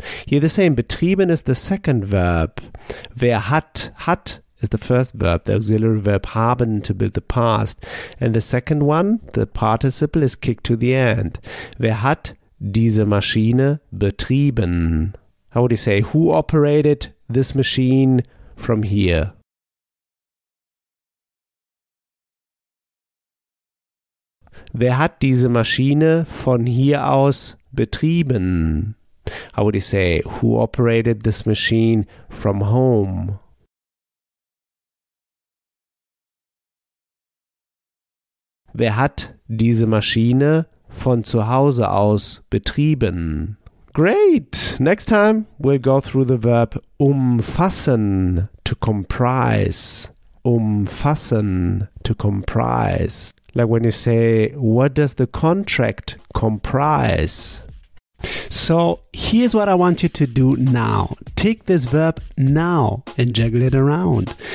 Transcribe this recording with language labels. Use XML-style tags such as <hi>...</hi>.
<en>Here the same, betrieben is the second verb.</en> <de>Wer hat, hat</de> <en>is the first verb, the auxiliary verb haben to be the past. And the second one, the participle, is kicked to the end.</en> <de>Wer hat diese Maschine betrieben?</de> <en>How would you say, who operated this machine from here?</en> <de>Wer hat diese Maschine von hier aus betrieben?</de> <en>How would you say, who operated this machine from home?</en> <de>Wer hat diese Maschine von zu Hause aus betrieben?</de> <en>Great! Next time we'll go through the verb umfassen, to comprise. Umfassen, to comprise. Like when you say, what does the contract comprise? So here's what I want you to do now. Take this verb now and juggle it around.</en>